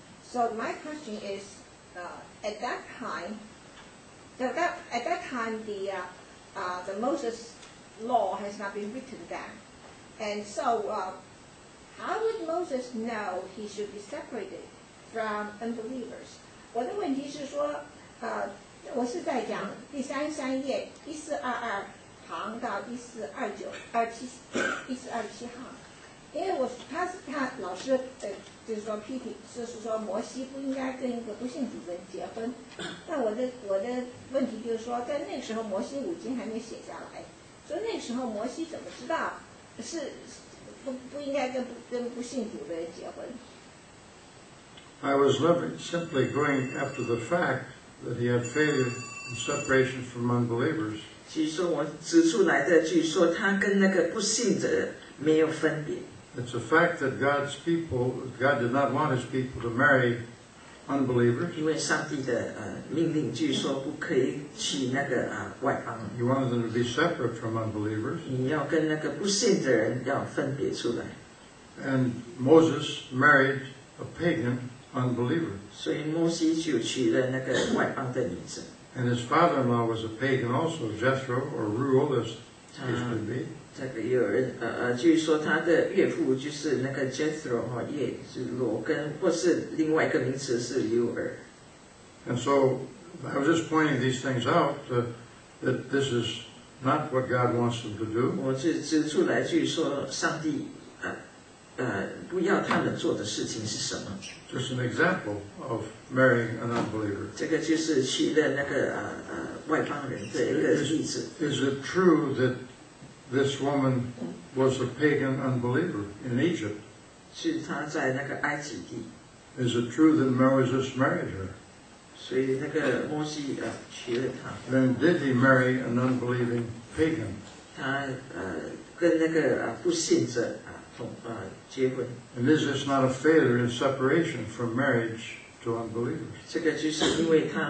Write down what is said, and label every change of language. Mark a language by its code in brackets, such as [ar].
[en] So my question is, at that time the Moses law has not been written down. And so how would Moses know he should be separated from unbelievers? [zh] 我的问题是说，我是在讲第三十三页一四二二行到一四二九二七一四二七行。因为他老师就是说批评，就是说摩西不应该跟一个不信主的人结婚。那我的问题就是说，在那时候摩西五经还没写下来，所以那时候摩西怎么知道是不应该跟不信主的人结婚 [en] ？I was living simply going after the fact that he had failed in separation from unbelievers. [zh] 其实我指出来的，就是说他跟那个不信者没有分别。 [en] It's a fact that God's people, God did not want his people to marry unbelievers. [zh] 因为上帝的命令据说不可以娶那个外邦人。 [en] He wanted them to be separate from unbelievers. [zh] 你要跟那个不信的人要分别出来。 [en] And Moses married a pagan unbeliever. [zh] 所以摩西就娶了那个外邦的女子。 [en] And his father-in-law was a pagan also, Jethro or Reuel as he should be. [zh] 这个有人就是说他的岳父就是那个 Jethro 叶罗根，或是另外一个名词是 Reuel。 [en] And so I was just pointing these things out, that this is not what God wants them to do. [zh] 我指出来去说上帝, 不要他们做的事情是什么? [en] Just an example of marrying an unbeliever. [zh] 这个就是去的那个, 外邦人的一个例子。 [en] Is it true that this woman was a pagan unbeliever in Egypt? [zh] 是她在那个埃及地。 [en] Is it true that Moses married her? [zh] 所以那个摩西, 娶了她。 [en] Then did he marry an unbelieving pagan? [zh] 她, 跟那个, 不信者, 同, 结婚。 [en] And is this not a failure in separation from marriage to unbelievers?